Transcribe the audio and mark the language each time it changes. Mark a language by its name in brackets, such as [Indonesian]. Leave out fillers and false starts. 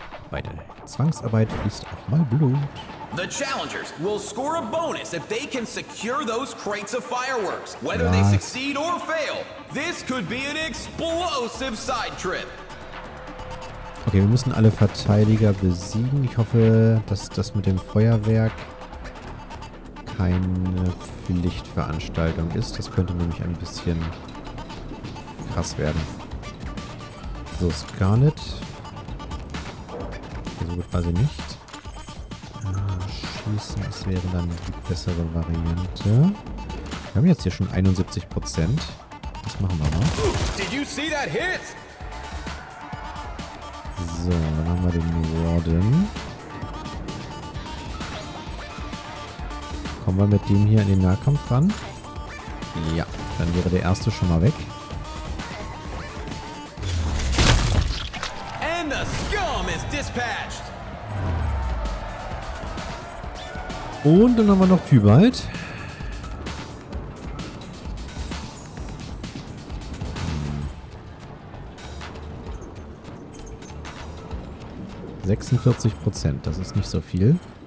[German] Bei der Zwangsarbeit fließt auch mal Blut. [English] The challengers will score a bonus if they can secure those crates of fireworks. Whether what? They succeed or fail, this could be an explosive side trip. [German] Okay, wir müssen alle Verteidiger besiegen. Ich hoffe, dass das mit dem Feuerwerk keine Pflichtveranstaltung ist. Das könnte nämlich ein bisschen krass werden. So, Scarlet. So gut quasi nicht. Das wäre dann die bessere Variante. Wir haben jetzt hier schon 71%. Das machen wir mal. [English] Did you see that hit? [German] So, dann haben wir den Warden. Kommen wir mit dem hier in den Nahkampf ran? Ja, dann wäre der erste schon mal weg. [English] And the scum is dispatched. [German] Und dann haben wir noch Tybalt. Hm. 46%, das ist nicht so viel.